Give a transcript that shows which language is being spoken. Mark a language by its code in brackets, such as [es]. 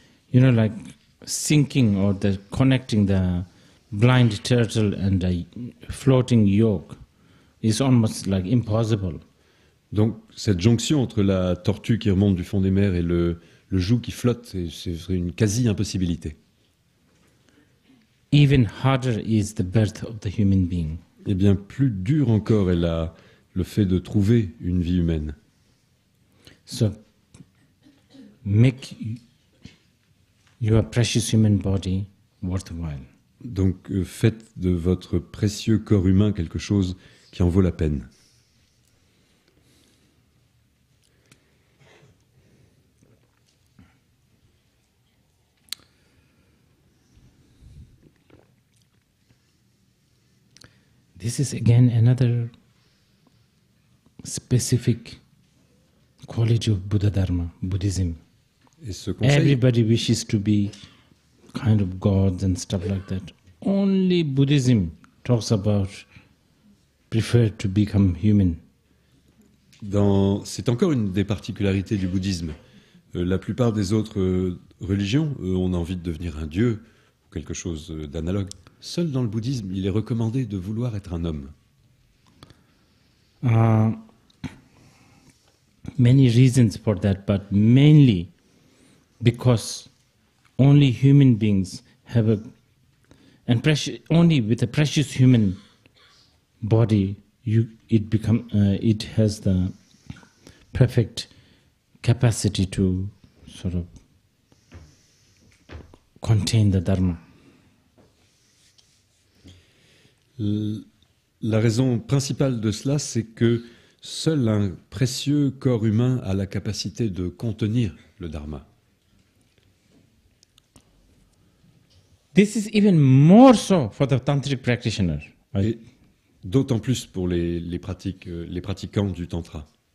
[en] You know, like sinking or the connecting the blind turtle and the floating yolk is almost like impossible. [fr] Donc cette jonction entre la tortue qui remonte du fond des mers et le joug qui flotte, c'est une quasi-impossibilité. [en] Even harder is the birth of the human being. [fr] Et bien plus dur encore est le fait de trouver une vie humaine. [en] So, make your precious human body worthwhile. [fr] Donc faites de votre précieux corps humain quelque chose qui en vaut la peine. [en] This is again another specific quality of Buddha Dharma, Buddhism. [fr] Et ce conseil, [en] everybody wishes to be kind of gods and stuff like that. Only Buddhism talks about prefer to become human. [fr] C'est encore une des particularités du bouddhisme. La plupart des autres religions, on a envie de devenir un dieu ou quelque chose d'analogue. Seul dans le bouddhisme, il est recommandé de vouloir être un homme. [en] Many reasons for that, but mainly because only human beings have only with a precious human body, it has the perfect capacity to sort of contain the dharma. [fr] La raison principale de cela, c'est que seul un précieux corps humain a la capacité de contenir le dharma. [en] This is even more so for the tantric practitioner. [fr] Et d'autant plus pour les pratiquants du tantra.